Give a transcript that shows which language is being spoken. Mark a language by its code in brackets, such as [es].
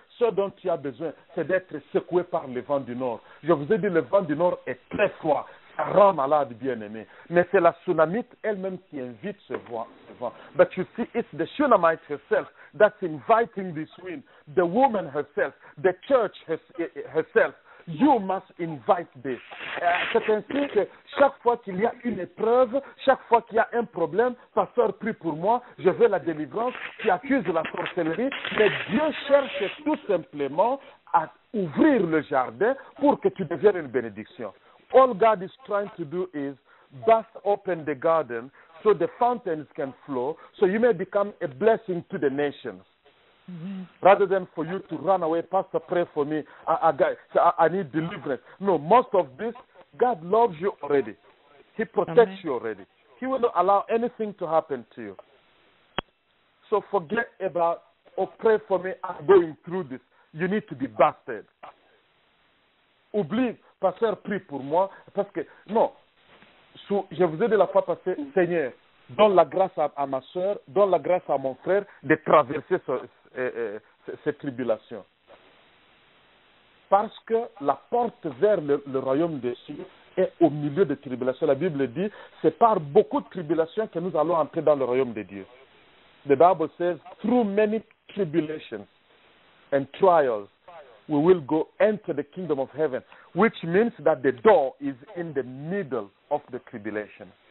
[fr] Ce dont tu as besoin, c'est d'être secoué par le vent du nord. Je vous ai dit, le vent du nord est très froid. Ça rend malade, bien-aimé. Mais c'est la tsunamite elle-même qui invite ce vent. [en] But you see, it's the Shunammite herself that's inviting this wind. The woman herself, the church herself. You must invite this. [fr] C'est ainsi que chaque fois qu'il y a une épreuve, chaque fois qu'il y a un problème, ta sœur prie pour moi, je veux la délivrance, tu accuses la sorcellerie, mais Dieu cherche tout simplement à ouvrir le jardin pour que tu deviennes une bénédiction. [en] All God is trying to do is burst open the garden so the fountains can flow, so you may become a blessing to the nations. Mm-hmm. Rather than for you to run away, pastor, pray for me. I need deliverance. No, most of this, God loves you already. He protects Amen. You already. He will not allow anything to happen to you. So forget about, oh, pray for me. I'm going through this. You need to be busted. [fr] Oublie, pasteur, prie pour moi. Parce que, non, je vous ai dit la fois passée, Seigneur, donne la grâce à ma soeur, donne la grâce à mon frère de traverser cette tribulation. parce que la porte vers le royaume des cieux est au milieu des tribulations. La Bible dit, c'est par beaucoup de tribulations que nous allons entrer dans le royaume de Dieu. [en] The Bible says, through many tribulations and trials, we will go enter the kingdom of heaven, which means that the door is in the middle of the tribulation.